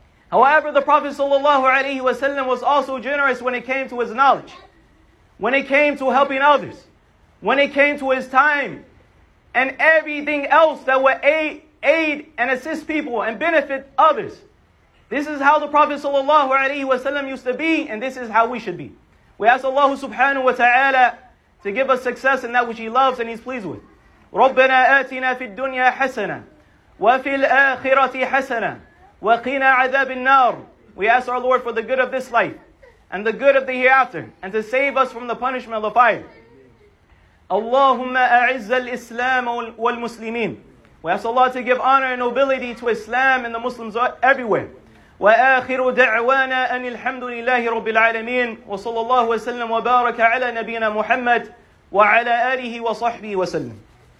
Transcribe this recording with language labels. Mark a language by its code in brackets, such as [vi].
[en] However, the Prophet sallallahu alayhi wa sallam was also generous when it came to his knowledge, when it came to helping others, when it came to his time, and everything else that would aid and assist people and benefit others. This is how the Prophet sallallahu alayhi wa sallam used to be, and this is how we should be. We ask Allah subhanahu wa ta'ala to give us success in that which He loves and He's pleased with. [ar] ربنا آتنا في الدنيا حسنة وفي الآخرة حسنة وقنا عذاب النار. [en] We ask our Lord for the good of this life and the good of the hereafter, and to save us from the punishment of the fire. [ar] Allahumma a'izz al-Islam wal-Muslimin. [en] We ask Allah to give honor and nobility to Islam and the Muslims everywhere. [ar] وآخر دعوانا أن الحمد لله رب العالمين وصلى الله وسلم وبارك على نبينا محمد وعلى آله وصحبه وسلم.